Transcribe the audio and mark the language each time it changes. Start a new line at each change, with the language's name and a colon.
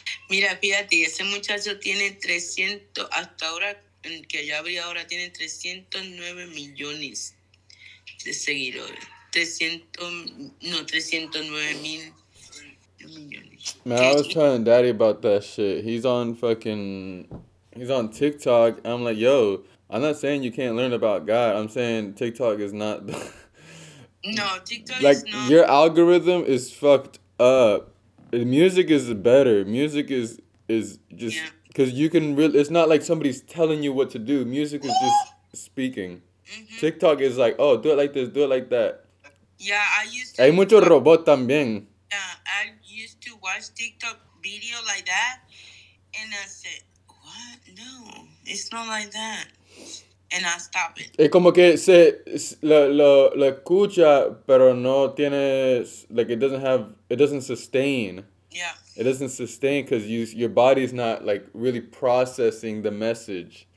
Spanish: Mira, fíjate, ese muchacho tiene 300, hasta ahora, en que ya abrí ahora, tiene 309 millones de seguidores. 309 mil millones.
English: Man, I was telling daddy about that shit. He's on TikTok. I'm like, yo, I'm not saying you can't learn about God. I'm saying TikTok is not. TikTok is not. Your algorithm is fucked up. Music is better. Music is just because you can really. It's not like somebody's telling you what to do. Music is just speaking. Mm-hmm. TikTok is like, oh, do it like this, do it like that. Yeah, I used to.
Spanish: Hay mucho robot también.
English: Yeah, I used to watch TikTok video like that, and I said, what? No, it's not like that. And I stopped it.
Spanish: Es como que se lo escucha, pero no tiene, like,
English: it doesn't sustain. Yeah. It doesn't sustain because your body's not, like, really processing the message.